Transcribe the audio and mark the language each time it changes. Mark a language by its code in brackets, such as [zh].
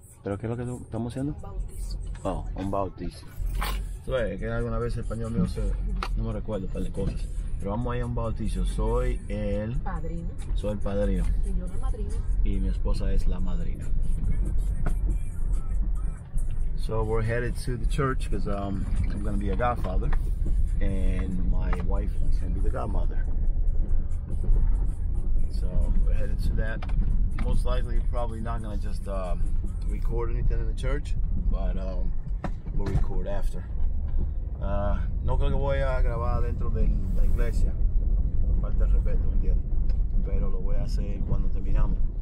[es] ¿Pero qué es lo que estamos haciendo? Bautizo. Oh, un bautizo. ¿Sabes? Que alguna vez el español mío se... No me recuerdo, un par de cosas. Pero vamos a ir a un bautizo. Soy el... Padrino. Soy el padrino. Y yo la madrina. Y mi esposa es la madrina. [en] So we're headed to the church because I'm going to be a godfather and my wife is going to be the godmother. So we're headed to that. Most likely, probably not going to just record anything in the church, but we'll record after. [es] No creo que voy a grabar dentro de la iglesia. Falta respeto, ¿me entiendes? Pero lo voy a hacer cuando terminamos.